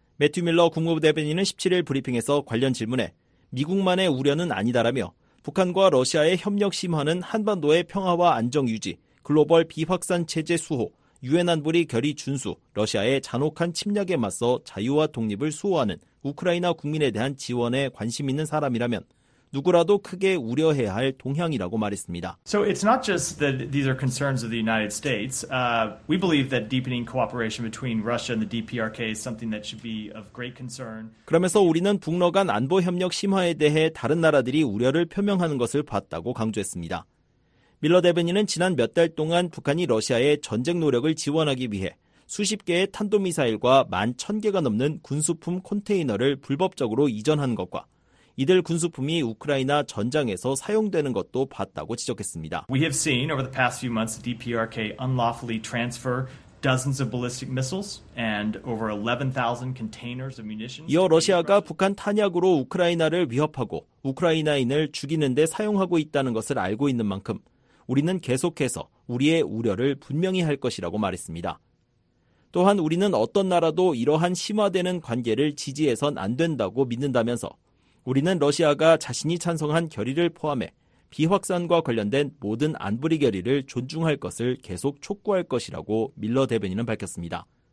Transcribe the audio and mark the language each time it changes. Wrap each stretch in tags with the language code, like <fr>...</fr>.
<ko>매튜 밀러 국무부 대변인은 17일 브리핑에서 관련 질문에 미국만의 우려는 아니다라며 북한과 러시아의 협력 심화는 한반도의 평화와 안정 유지, 글로벌 비확산 체제 수호, 유엔 안보리 결의 준수, 러시아의 잔혹한 침략에 맞서 자유와 독립을 수호하는 우크라이나 국민에 대한 지원에 관심 있는 사람이라면 누구라도 크게 우려해야 할 동향이라고 말했습니다.</ko> <en>So it's not just that these are concerns of the United States. We believe that deepening cooperation between Russia and the DPRK is something that should be of great concern.</en> <ko>그러면서 우리는 북러 간 안보 협력 심화에 대해 다른 나라들이 우려를 표명하는 것을 봤다고 강조했습니다. 밀러 대변인은 지난 몇 달 동안 북한이 러시아의 전쟁 노력을 지원하기 위해 수십 개의 탄도미사일과 만 천 개가 넘는 군수품 컨테이너를 불법적으로 이전한 것과 이들 군수품이 우크라이나 전장에서 사용되는 것도 봤다고 지적했습니다.</ko> <en>We have seen over the past few months the DPRK unlawfully transfer dozens of ballistic missiles and over 11,000 containers of munitions.</en> <ko>이어 러시아가 북한 탄약으로 우크라이나를 위협하고 우크라이나인을 죽이는 데 사용하고 있다는 것을 알고 있는 만큼 우리는 계속해서 우리의 우려를 분명히 할 것이라고 말했습니다. 또한 우리는 어떤 나라도 이러한 심화되는 관계를 지지해선 안 된다고 믿는다면서 우리는 러시아가 자신이 찬성한 결의를 포함해 비확산과 관련된 모든 안보리 결의를 존중할 것을 계속 촉구할 것이라고 밀러 대변인은 밝혔습니다.</ko>